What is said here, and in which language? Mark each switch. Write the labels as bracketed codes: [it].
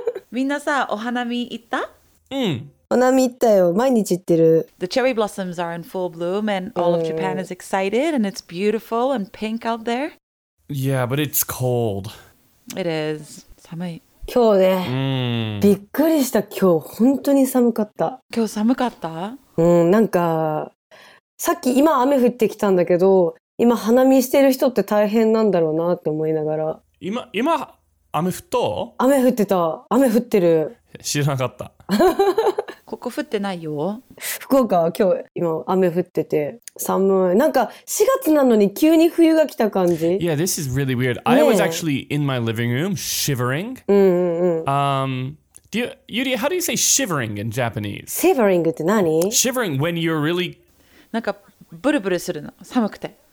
[ja] みんなさ、お花見行った？お花見行ったよ。毎日行ってる。 [en] The cherry blossoms are in full bloom and all of Japan is excited and it's beautiful and pink out there. Yeah, but it's cold. It is. [ja] 寒い。今日ね、びっくりした。今日本当に寒かった。今日寒かった？なんか…さっき今雨降ってきたんだけど、今花見してる人って大変なんだろうなって思いながら。今雨降った？雨降ってた。雨降ってる。知らなかった。ここ降ってないよ。福岡は今日今雨降ってて寒い。なんか4月なのに急に冬が来た感じ。 [en] Yeah, this is really weird. I was actually in my living room shivering. Yurie, how do you say shivering in Japanese? [ja] Shivering って何？ [en] Shivering when you're really [ja] なんかブルブルするの寒くて。